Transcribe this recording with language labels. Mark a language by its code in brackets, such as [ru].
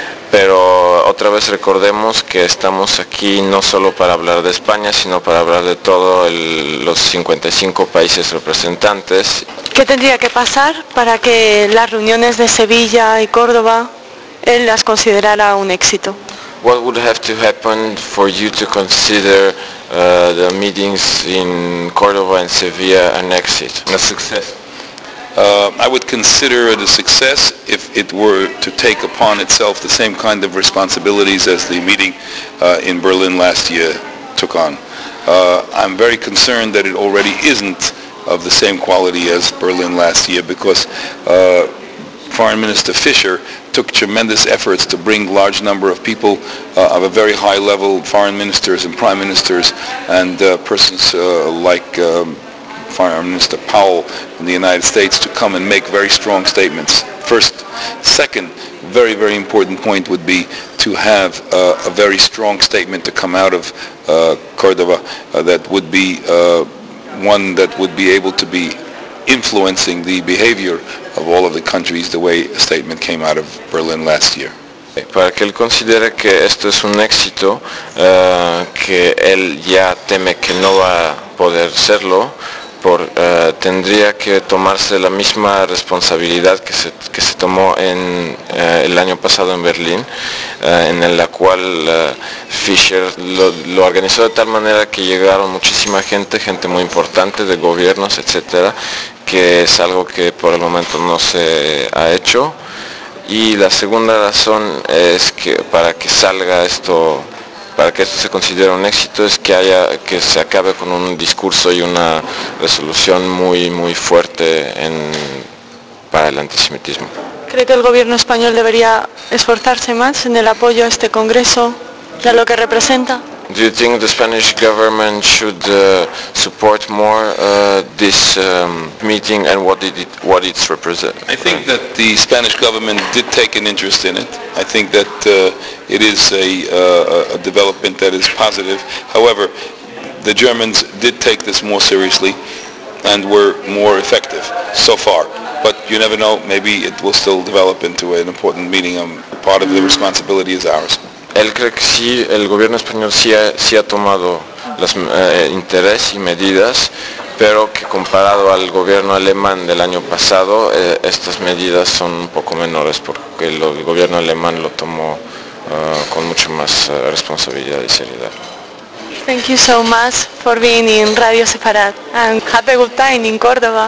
[es] Pero otra vez recordemos que estamos aquí no solo para hablar de España, sino para hablar de todos los 55 países representantes. ¿Qué tendría que pasar para que las reuniones de Sevilla y Córdoba él las considerara un éxito? [en] What would have to happen for you to consider the meetings in Córdoba and Sevilla an exit, a success? I would consider it a success if it were to take upon itself the same kind of responsibilities as the meeting in Berlin last year took on. I'm very concerned that it already isn't of the same quality as Berlin last year, because Foreign Minister Fischer took tremendous efforts to bring large number of people of a very high level, foreign ministers and prime ministers, and persons like Foreign Minister Powell in the United States to come and make very strong statements. First. Second, very, very important point would be to have a very strong statement to come out of Cordova that would be one that would be able to be influencing the behavior of all of the countries the way a statement came out of Berlin last year. [es] Para que él considere que esto es un éxito, que él ya teme que no va a poder serlo, tendría que tomarse la misma responsabilidad que se tomó en el año pasado en Berlín, en la cual Fischer lo organizó de tal manera que llegaron muchísima gente muy importante de gobiernos, etcétera, que es algo que por el momento no se ha hecho. Y la segunda razón es que para que salga esto, para que esto se considere un éxito, es que haya, que se acabe con un discurso y una resolución muy, muy fuerte para el antisemitismo. ¿Cree que el gobierno español debería esforzarse más en el apoyo a este congreso y a lo que representa? [en] Do you think the Spanish government should support more this meeting and what it represents? I think that the Spanish government did take an interest in it. I think that it is a development that is positive. However, the Germans did take this more seriously and were more effective so far. But you never know, maybe it will still develop into an important meeting. Part of the responsibility is ours. [es] Él cree que sí, el gobierno español sí ha tomado los interés y medidas, pero que comparado al gobierno alemán del año pasado, estas medidas son un poco menores, porque el gobierno alemán lo tomó con mucho más responsabilidad y seriedad. [en] Thank you so much for being in Radio Separat, and have a good time in Córdoba.